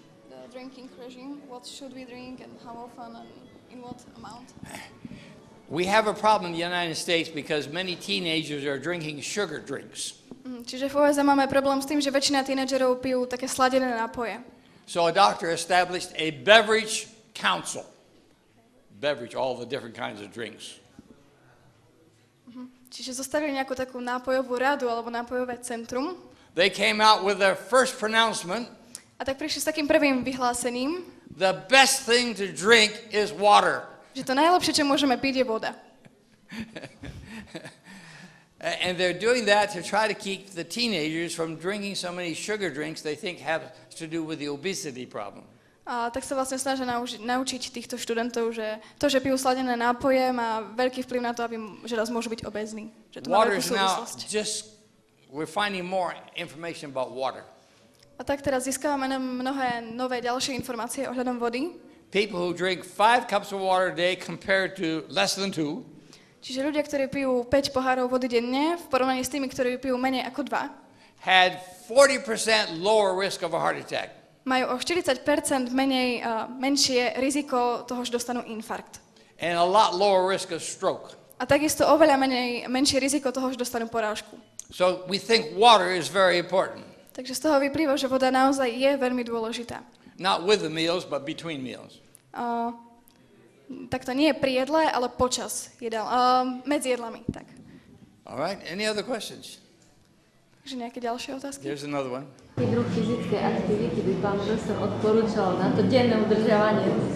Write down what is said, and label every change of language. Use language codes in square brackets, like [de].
[en] The drinking regime, what should we drink and how often and in what amount? We have a problem in the United States because many teenagers are drinking sugar drinks. [sk] Čiže v USA máme problém s tým, že väčšina tínedžerov pijú také sladené nápoje. [en] So a doctor established a beverage council. Beverage, all the different kinds of drinks. [sk] Čiže zostavili nejakú takú nápojovú radu alebo nápojové centrum. [en] They came out with their first pronouncement. [sk] A tak prišli s takým prvým vyhlásením. [en] The best thing to drink is water. [sk] Že to najlepšie, čo môžeme piť, je voda. [en] And they're doing that to try to keep the teenagers from drinking so many sugar drinks they think have to do with the obesity problem. [sk] A tak sa vlastne snažia naučiť týchto študentov, že to, že pijú sladené nápoje, má veľký vplyv na to, aby že raz môžu byť obézni, že to má veľkú súvislosť. [en] Just we're finding more information about water. [sk] A tak teraz získavame mnohé nové ďalšie informácie ohľadom vody. [en] People who drink 5 cups of water a day compared to less than 2. [sk] Čiže ľudia, ktorí pijú 5 pohárov vody denne, v porovnaní s tými, ktorí pijú menej ako 2, [en] had 40% lower risk of a heart attack. [sk] Majú o 40% menšie riziko toho, že dostanú infarkt. [en] And a lot lower risk of stroke. [sk] A takisto oveľa menšie riziko toho, že dostanú porážku. [en] So we think water is very important. [sk] Takže z toho vyplýva, že voda naozaj je veľmi dôležitá. [en] Not with the meals, but between meals. [sk] Tak to nie je pri jedle, ale počas jedel, medzi jedlami, tak. [en] All right, any other questions? [sk] Takže nejaké ďalšie otázky? [en] Here's another one. [sk] Aký druh fyzické aktivity by pán profesor odporúčal na to denné udržiavanie?